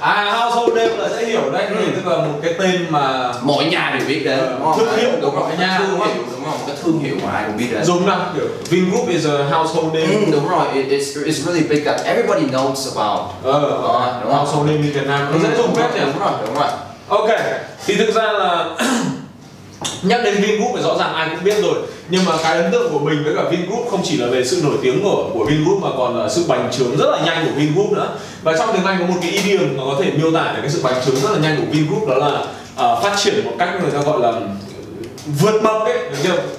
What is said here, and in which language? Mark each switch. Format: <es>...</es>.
<vi>Household name là sẽ hiểu đấy, tức là một cái tên mà mọi nhà đều biết đấy, thương hiệu đúng rồi, nhà thương hiệu đúng không, cái thương hiệu mà ai cũng biết đấy. Dùng nào, kiểu</vi> <en>Vingroup is a household name.</en> <vi>Đúng rồi,</vi> <en>it's really big that everybody knows about.</en> <vi>Đúng household name in Việt Nam nó sẽ dùng hết nhỉ. Đúng rồi. Ok, thì thực ra là nhắc đến Vingroup thì rõ ràng ai cũng biết rồi, nhưng mà cái ấn tượng của mình với cả Vingroup không chỉ là về sự nổi tiếng của Vingroup mà còn là sự bành trướng rất là nhanh của Vingroup nữa. Và trong tiếng Anh có một cái idiom mà có thể miêu tả được cái sự bành trướng rất là nhanh của Vingroup, đó là phát triển một cách người ta gọi là vượt bậc ấy, được chưa?</vi>